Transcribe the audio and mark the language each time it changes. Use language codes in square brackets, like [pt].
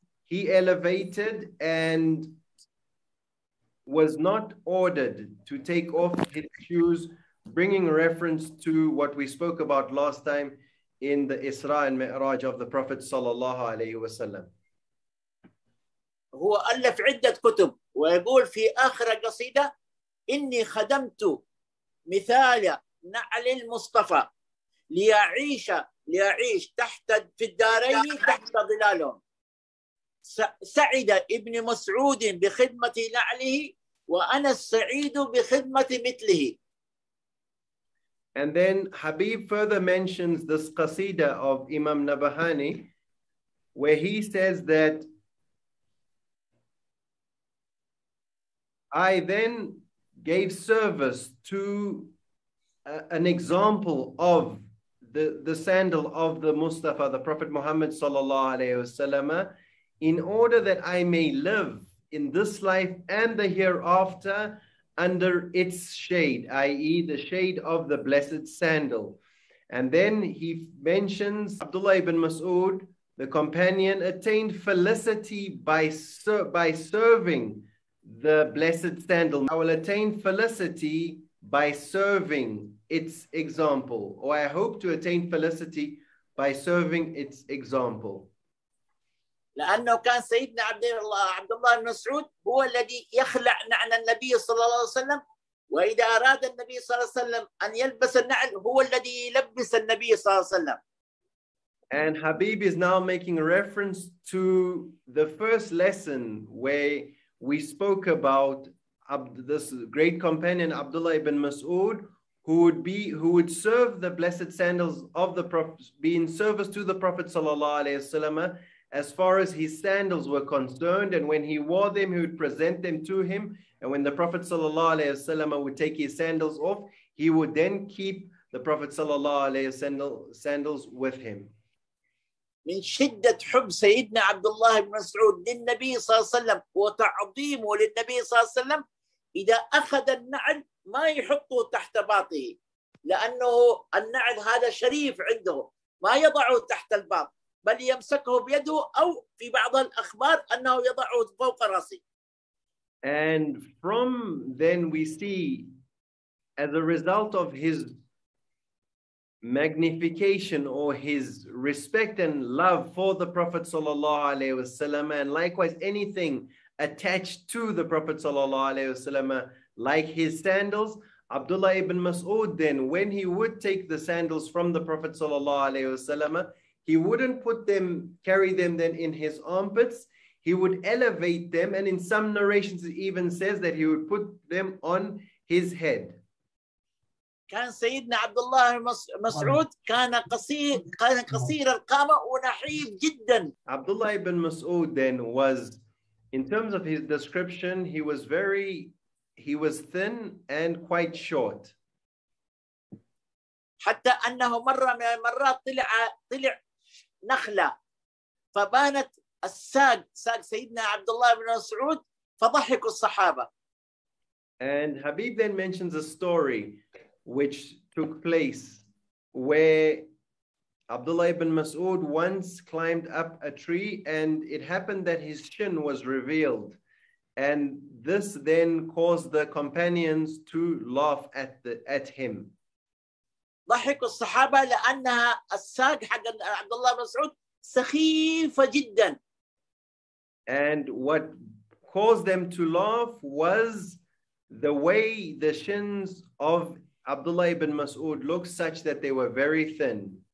[en] he elevated and was not ordered to take off his shoes, bringing reference to what we spoke about last time in the Isra and Mi'raj of the Prophet sallallahu alayhi wa sallam. [ar] هو ألف عدة كتب ويقول في آخر قصيدة إني خدمت مثال نعل المصطفى ليعيش تحت في الدارين تحت ظلالهم سعد ابن مسعود بخدمة نعله وأنا السعيد بخدمة مثله. [en] And then Habib further mentions this qasida of Imam Nabahani, where he says that I then gave service to an example of the sandal of the Mustafa, the Prophet Muhammad sallallahu alayhi wa sallam, in order that I may live in this life and the hereafter under its shade, i.e. the shade of the blessed sandal. And then he mentions Abdullah ibn Mas'ud, the companion, attained felicity by serving the blessed sandal. I will attain felicity by serving its example, or I hope to attain felicity by serving its example. [ar] لأنه كان سيدنا عبد الله المسعود هو الذي يخلع نعل النبي صلى الله عليه وسلم وإذا أراد النبي صلى الله عليه وسلم أن يلبس النعل هو الذي يلبس النبي صلى الله عليه وسلم. [en] And Habib is now making reference to the first lesson where we spoke about this great companion Abdullah ibn Mas'ud, who would serve the blessed sandals of the Prophet, be in service to the Prophet sallallahu alaihi wasallam as far as his sandals were concerned, and when he wore them he would present them to him, and when the Prophet sallallahu alaihi wasallam would take his sandals off, he would then keep the Prophet sallallahu alaihi wasallam sandals with him. [ar] من شدة حب سيدنا عبد الله بن مسعود للنبي صلى الله عليه وسلم وتعظيمه للنبي صلى الله عليه وسلم إذا أخذ النعل ما يحطه تحت باطه لأنه النعل هذا شريف عنده ما يضعه تحت الباط بل يمسكه بيده أو في بعض الأخبار أنه يضعه فوق رأسه. [en] And from then we see as a result of his magnification or his respect and love for the Prophet sallallahu alaihi wasallam, and likewise anything attached to the Prophet sallallahu alaihi wasallam like his sandals, Abdullah ibn Mas'ud then, when he would take the sandals from the Prophet sallallahu alaihi wasallam, he wouldn't carry them then in his armpits. He would elevate them, and in some narrations it even says that he would put them on his head. [ar] كان سيدنا عبد الله مسعود كان قصير القامة ونحيف جدا. [en] عبد الله بن مسعود then was, in terms of his description, he was thin and quite short. [ar] حتى أنه مرة من المرات طلع نخلة فبانت الساق سيدنا عبد الله بن مسعود فضحك الصحابة. [en] And Habib then mentions a story which took place where Abdullah ibn Mas'ud once climbed up a tree and it happened that his shin was revealed. And this then caused the companions to laugh at him. [ar] ضحك الصحابة لأنها الساق حق عبدالله مسعود سخيفة جدا. [en] And what caused them to laugh was the way the shins of Abdullah ibn Mas'ud looked such that they were very thin.